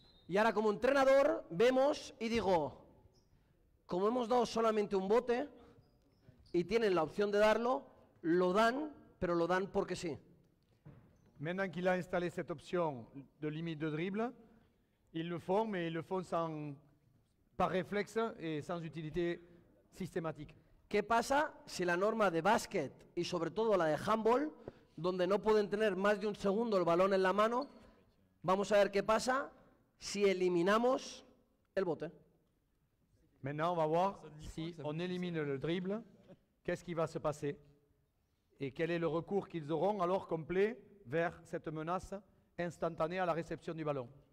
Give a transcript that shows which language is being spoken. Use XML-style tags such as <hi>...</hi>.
<es>Y ahora como entrenador vemos y digo, como hemos dado solamente un bote y tienen la opción de darlo, lo dan, pero lo dan porque sí.</es> <fr>Maintenant qu'il a installé cette option de limite de dribble, ils le font, mais ils le font sans par réflexe et sans utilité systématique.</fr> <es>¿Qué pasa si la norma de básquet y sobre todo la de handball, donde no pueden tener más de un segundo el balón en la mano, vamos a ver qué pasa? Si eliminamos el bote.</es> <fr>Maintenant, on va voir si on élimine le dribble, qu'est-ce qui va se passer et quel est le recours qu'ils auront alors complet vers cette menace instantanée à la réception du ballon.</fr>